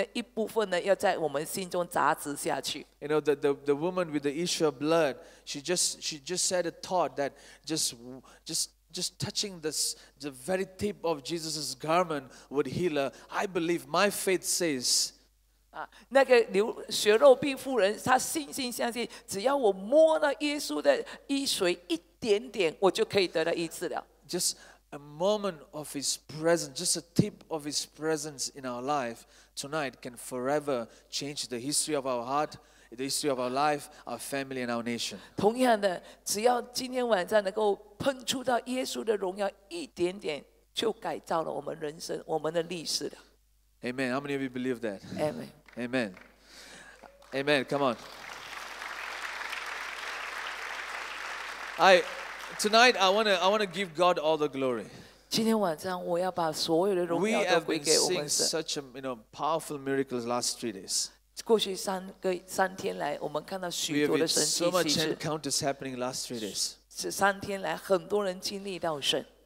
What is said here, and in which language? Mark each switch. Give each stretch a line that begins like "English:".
Chinese: 今天晚上，我相信神的本性的一部分呢，要在我们心中扎植下去。
English: You know, the woman with the issue of blood, she just had a thought that just touching the very tip of Jesus' garment would heal her. I believe my faith says
Chinese: 那个流血肉病妇人，她信心相信，只要我摸到耶稣的衣水一点点，我就可以得到医治了。
English: Just a moment of His presence, just a tip of His presence in our life tonight can forever change the history of our heart, the history of our life, our family, and our nation.
Chinese: 同样的，只要今天晚上能够喷出到耶稣的荣耀一点点，就改造了我们人生、我们的历史了。
English: Amen. How many of you believe that? Amen. Amen. Amen. Come on. Tonight I want to give God all the glory.
Chinese: 今天晚上我要把所有的荣耀都归给我们神。
English: We have been seeing such a, you know, powerful miracles last 3 days.
Chinese: 过去三天来，我们看到许多的神迹奇事。
English: So much encounters happening last 3 days.
Chinese: 这三天来，很多人经历到神。